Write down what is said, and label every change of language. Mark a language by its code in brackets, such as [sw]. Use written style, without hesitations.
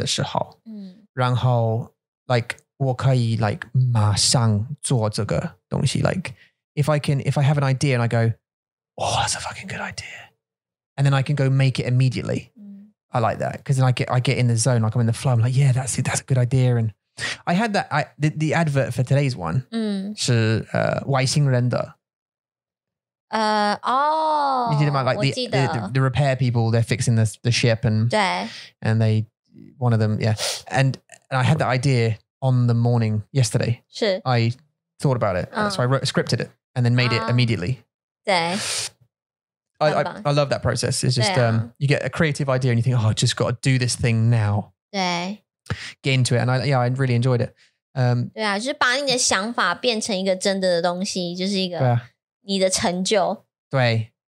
[zh] 我喜欢。你喜欢就是建造。对。去创造一个东西。我真的喜欢我有想法的时候，然后 like 我可以 like 马上做这个东西。 [en] Like if I have an idea and I go, oh, that's a fucking good idea. And then I can go make it immediately. I like that. Cause then I get in the zone, like I'm in the flow. I'm like, yeah, that's a good idea. And I had that the advert for today's one. You did it about like the repair people, they're fixing the ship and they one of them, yeah. And I had that idea on the morning yesterday. Sure. I thought about it. So I scripted it and then made it immediately. I love that process. It's just you get a creative idea and you think, oh, I just got to do this thing now. Get into it. And I really enjoyed it. [zh] 对啊，就是把你的想法变成一个真的的东西，就是一个你的成就。对。